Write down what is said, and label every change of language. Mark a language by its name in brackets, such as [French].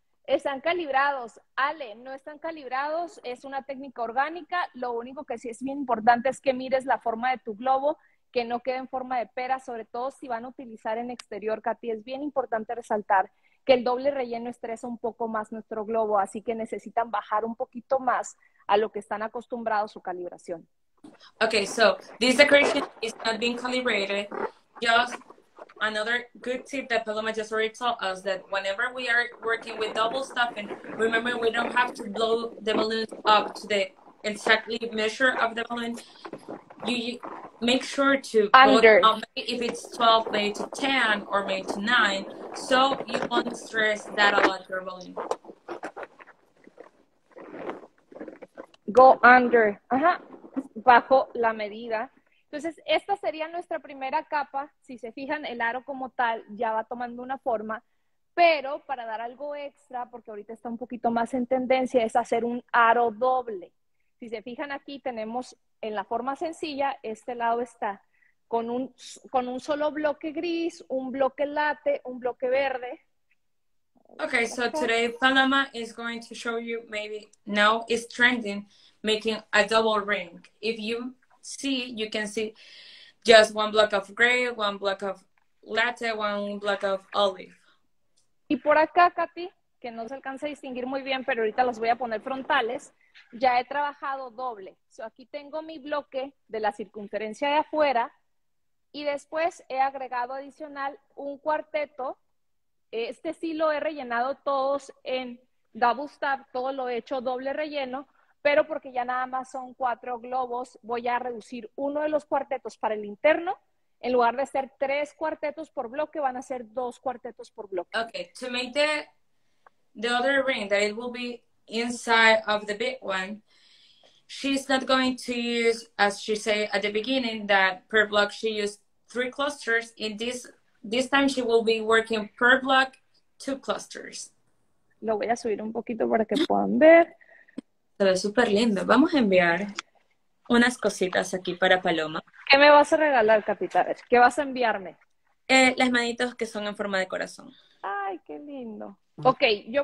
[Spanish] Están calibrados, Ale, no están calibrados, es una técnica orgánica, lo único que sí es bien importante es que mires la forma de tu globo, que no quede en forma de pera, sobre todo si van a utilizar en exterior, Katy, es bien importante resaltar que el doble relleno estresa un poco más nuestro globo, así que necesitan bajar un poquito más a lo que están acostumbrados su calibración. [English] Okay, so this decoration is not being calibrated, just another good tip that Paloma just already told us, that whenever we are working with double stuffing, remember we don't have to blow the balloons up to the exactly measure of the balloon. You make sure to under put, if it's 12 made to 10 or made to 9, so you won't stress that a lot your balloon. Go under. [Spanish] Ajá. Bajo la medida. Entonces, esta sería nuestra primera capa. Si se fijan, el aro como tal ya va tomando una forma, pero para dar algo extra, porque ahorita está un poquito más en tendencia, es hacer un aro doble. Si se fijan aquí, tenemos en la forma sencilla, este lado está con un solo bloque gris, un bloque latte, un bloque verde. [English] Okay, so today Paloma is going to show you, maybe now it's trending, making a double ring. If you see, you can see just 1 block of gray, 1 block of latte, 1 block of olive. [Spanish] Y por acá, Katy, que no se alcanza a distinguir muy bien, pero ahorita los voy a poner frontales, ya he trabajado doble. So aquí tengo mi bloque de la circunferencia de afuera y después he agregado adicional un cuarteto. Este sí lo he rellenado todos en double stuff, todo lo he hecho doble relleno, pero porque ya nada más son 4 globos, voy a reducir uno de los cuartetos para el interno. En lugar de ser 3 cuartetos por bloque, van a ser 2 cuartetos por bloque. [English] Okay, to make the other ring that it will be inside of the big one, she's not going to use, as she said at the beginning, that per block she used 3 clusters. In this time she will be working per block 2 clusters. [Spanish] Lo voy a subir un poquito para que puedan ver. Se ve súper lindo. Vamos a enviar unas cositas aquí para Paloma. ¿Qué me vas a regalar, Capita? ¿Qué vas a enviarme? Las manitos que son en forma de corazón. Ay, qué lindo. Ok, yo